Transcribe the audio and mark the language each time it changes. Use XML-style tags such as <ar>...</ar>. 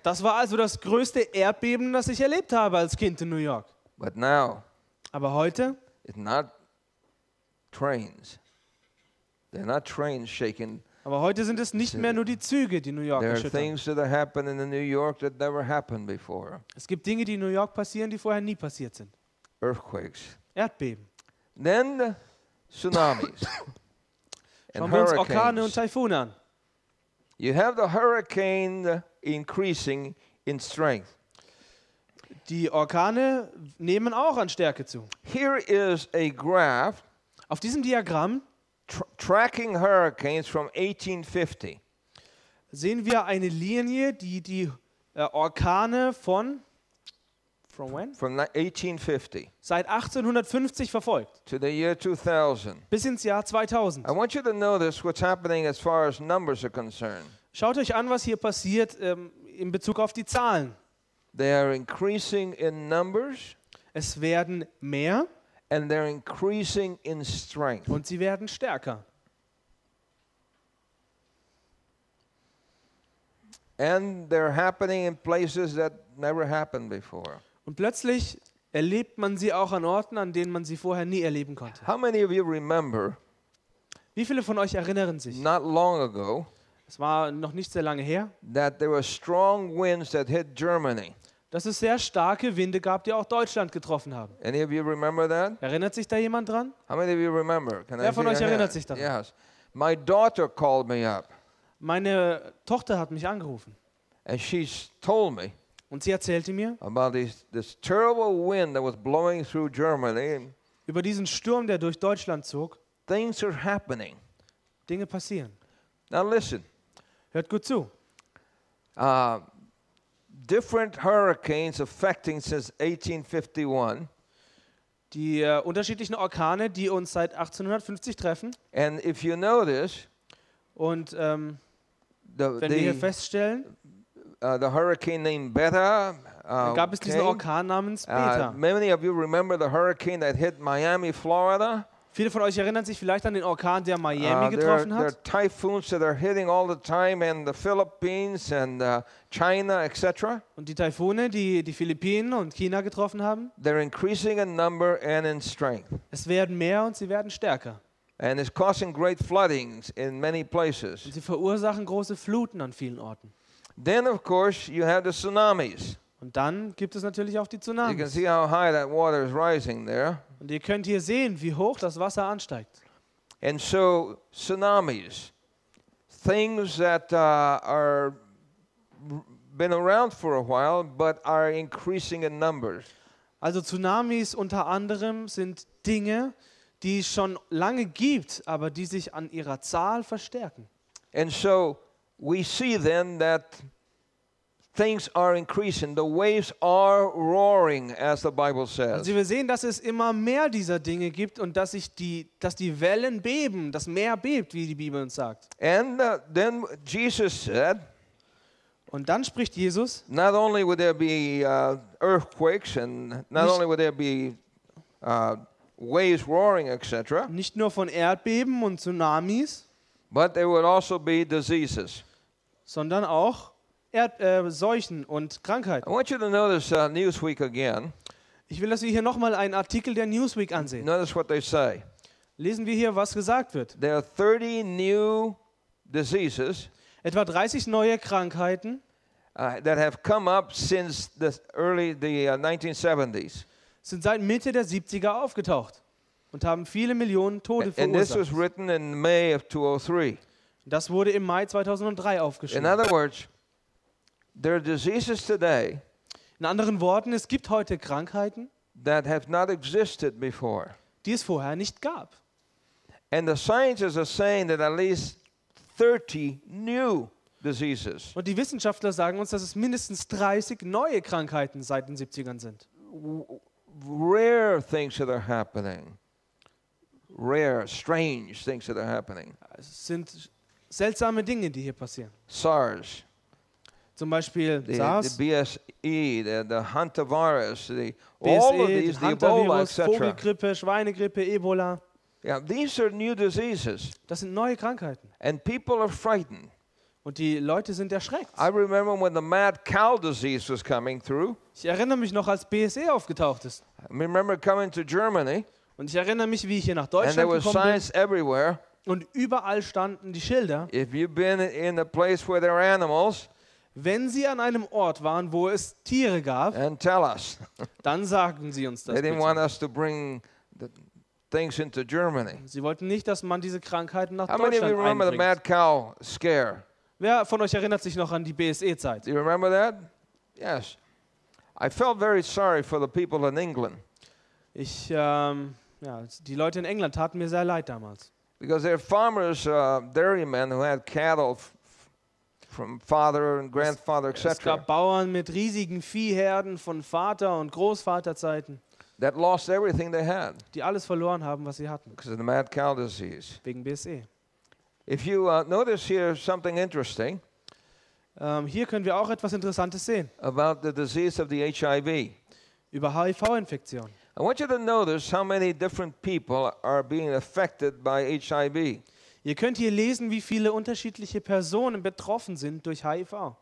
<de>Das war also das größte Erdbeben, das ich erlebt habe als Kind in New York.</de> <en>But now,</en> <de>aber heute,</de> <en>it's not trains. They're not trains shaking.</en> <de>Aber heute sind es nicht mehr nur die Züge, die New York erschüttern. Es gibt Dinge, die in New York passieren, die vorher nie passiert sind.</de> <en>Earthquakes.</en> <de>Erdbeben.</de> <en>Then the tsunamis.</en> <de>Schauen wir uns Orkane und Taifune an.</de> <en>You have the hurricane increasing in strength.</en> <de>Die Orkane nehmen auch an Stärke zu.</de> <en>Here is a graph.</en> <de>Auf diesem Diagramm</de> <en>tracking hurricanes from 1850.</en> <de>Sehen wir eine Linie, die die Orkane von</de> <en>from when? From 1850.</en> <de>Seit 1850 verfolgt.</de> <en>To the year 2000.</en> <de>Bis ins Jahr 2000.</de> <en>I want you to notice what's happening as far as numbers are concerned.</en> <de>Schaut euch an, was hier passiert in Bezug auf die Zahlen.</de> <en>They are increasing in numbers.</en> <de>Es werden mehr.</de> <en>And they're increasing in strength.</en> <de>Und sie werden stärker.</de> <en>And they're happening in places that never happened before.</en> <de>Und plötzlich erlebt man sie auch an Orten, an denen man sie vorher nie erleben konnte.</de> <en>How many of you remember?</en> <de>Wie viele von euch erinnern sich?</de> <en>Not long ago.</en> <de>Es war noch nicht sehr lange her.</de> <en>That there were strong winds that hit Germany.</en> <de>Dass es sehr starke Winde gab, die auch Deutschland getroffen haben.</de> <en>Any of you remember that?</en> <de>Erinnert sich da jemand dran?</de> <en>How many of you remember?</en> <de>Can Wer I von euch erinnert sich daran?</de> <en>Yes. My daughter called me up.</en> <de>Meine Tochter hat mich angerufen.</de> <en>And she's told me.</en> <de>Und sie erzählte mir</de> <en>about this terrible wind that was blowing through Germany.</en> <de>Über diesen Sturm, der durch Deutschland zog.</de> <en>Things are happening.</en> <de>Dinge passieren.</de> <en>Now listen.</en> <de>Hört gut zu.</de> <en>Different hurricanes affecting since 1851.</en> <de>Die unterschiedlichen Orkane, die uns seit 1850 treffen.</de> <en>And if you notice,</en> <de>und wenn wir hier feststellen,</de> <en>the hurricane named Beta.</en> <de>Gab es diesen Orkan namens Beta?</de> <en>Many of you remember the hurricane that hit Miami, Florida.</en> <de>Viele von euch erinnern sich vielleicht an den Orkan, der Miami getroffen hat.</de> <en>There are typhoons that are hitting all the time in the Philippines and China, etc.</en> <de>Und die Taifune, die die Philippinen und China getroffen haben.</de> <en>They're increasing in number and in strength.</en> <de>Es werden mehr und sie werden stärker.</de> <en>And it's causing great floodings in many places.</en> <de>Und sie verursachen große Fluten an vielen Orten.</de> <en>Then, of course, you have the tsunamis.</en> <de>Und dann gibt es natürlich auch die Tsunamis.</de> <en>You can see how high that water is rising there.</en> <de>Und ihr könnt hier sehen, wie hoch das Wasser ansteigt.</de> <en>And so tsunamis, things that are been around for a while, but are increasing in numbers.</en> <de>Also Tsunamis unter anderem sind Dinge, die es schon lange gibt, aber die sich an ihrer Zahl verstärken.</de> <en>And so we see then that things are increasing. The waves are roaring, as the Bible says.</en> <de>Also wir sehen, dass es immer mehr dieser Dinge gibt und dass sich die, dass die Wellen beben, das Meer bebt, wie die Bibel uns sagt.</de> <en>And then Jesus said.</en> <de>Und dann spricht Jesus.</de> <en>Not only will there be earthquakes and not only will there be waves roaring, etc.</en> <de>Nicht nur von Erdbeben und Tsunamis.</de> <en>But there will also be diseases.</en> <de>Sondern auch Seuchen und Krankheiten.</de> <en>I want you to notice Newsweek again.</en> <de>Ich will, dass wir hier nochmal einen Artikel der Newsweek ansehen.</de> <en>Notice what they say.</en> <de>Lesen wir hier, was gesagt wird.</de> <en>There are 30 new diseases.</en> <de>Etwa 30 neue Krankheiten.</de> <en>That have come up since the early the 1970s.</en> <de>Sind seit Mitte der 70er aufgetaucht und haben viele Millionen Tode verursacht.</de> <en>And this was written in May of 2003.</en> <de>Das wurde im Mai 2003 aufgeschrieben.</de> <en>In other words, there are diseases today.</en> <de>In anderen Worten, es gibt heute Krankheiten,</de> <en>that have not existed before.</en> <de>Die es vorher nicht gab.</de> <en>And the scientists are saying that at least 30 new diseases.</en> <de>Und die Wissenschaftler sagen uns, dass es mindestens 30 neue Krankheiten seit den 70ern sind.</de> <en>Rare things that are happening. Rare, strange things that are happening.</en> <de>Es sind seltsame Dinge, die hier passieren.</de> <en>SARS.</en> <de>Zum Beispiel SARS.</de> <en>The BSE, the Hantavirus, the BSE, all of these, Ebola, etc.</en> <de>Vogelgrippe, Schweinegrippe, Ebola.</de> <en>Yeah, these are new diseases.</en> <de>Das sind neue Krankheiten.</de> <en>And people are frightened.</en> <de>Und die Leute sind erschreckt.</de> <en>I remember when the mad cow disease was coming through.</en> <de>Ich erinnere mich noch, als BSE aufgetaucht ist.</de> <en>I remember coming to Germany.</en> <de>Und ich erinnere mich, wie ich hier nach Deutschland gekommen bin.</de> <en>And there were signs everywhere.</en> <de>Und überall standen die Schilder.</de> <en>If you've been in a place where there are animals.</en> <de>Wenn Sie an einem Ort waren, wo es Tiere gab.</de> <en>And tell us.</en> <de>Dann sagen Sie uns das.</de> <en>They didn't want us to bring the things into Germany.</en> <de>Sie wollten nicht, dass man diese Krankheiten nach</de> <en>How</en> <de>Deutschland einbringt.</de> <en>How many of you remember the mad cow scare?</en> <de>Wer von euch erinnert sich noch an die BSE-Zeit?</de> <en>Do you remember that? Yes. I felt very sorry for the people in England.</en> <de>Die Leute in England taten mir sehr leid damals.</de> <en>Because they're farmers, dairymen who had cattle from father and grandfather, etc.</en> <de>Es gab Bauern mit riesigen Viehherden von Vater und Großvaterzeiten.</de> <en>That lost everything they had.</en> <de>Die alles verloren haben, was sie hatten.</de> <en>Because of the mad cow disease.</en> <de>Wegen BSE.</de> <en>If you notice here something interesting.</en> <de>Hier können wir auch etwas Interessantes sehen.</de> <en>About the disease of the HIV.</en> <de>Über HIV-Infektion.</de> <en>I want you to notice how many different people are being affected by HIV.</en> <de>Ihr könnt hier lesen, wie viele unterschiedliche Personen betroffen sind durch HIV.</de>